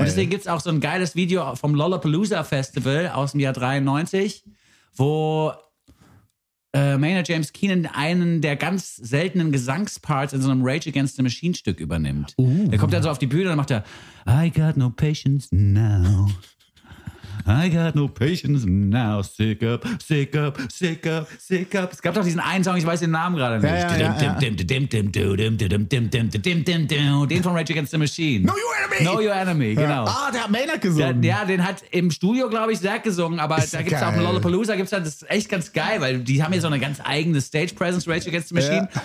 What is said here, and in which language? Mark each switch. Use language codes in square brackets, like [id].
[de] Und deswegen gibt es auch so ein geiles Video vom Lollapalooza-Festival aus dem Jahr 93, wo Maynard James Keenan einen der ganz seltenen Gesangsparts in so einem Rage Against the Machine-Stück übernimmt. Er kommt dann so auf die Bühne und macht [en] I got no patience now. I got no patience now. Sick up, sick up, sick up, sick up. [de] Es gab doch diesen einen Song, ich weiß den Namen gerade nicht. Den von Rage Against the Machine. Know Your Enemy. Know Your Enemy, genau. Ah, der hat Maynard gesungen. Ja, den hat im Studio, glaube ich, Zack gesungen. Aber da gibt es auch Lollapalooza, gibt's dann, das ist echt ganz geil, weil die haben ja so eine ganz eigene Stage-Presence, Rage Against the Machine.